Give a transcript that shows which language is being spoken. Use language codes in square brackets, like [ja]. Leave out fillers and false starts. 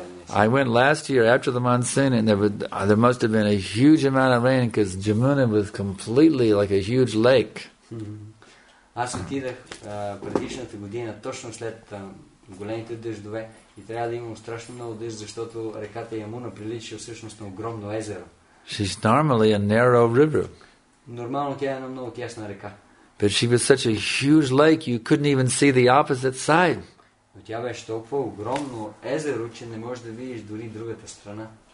[en] I went last year after the monsoon and there must have been a huge amount of rain because Jamuna was completely like a huge lake. [bg] Аз отидах предишната година точно след големите дъждове и трябва да имам страшно много дъжд, защото реката Ямуна прилича всъщност на огромно езеро. [en] She's normally a narrow river. [bg] Нормално тя е една много тясна река. [en] But she was such a huge lake you couldn't even see the opposite side. [bg] Но тя беше толкова огромно езеро, че не можеш да видиш дори другата страна.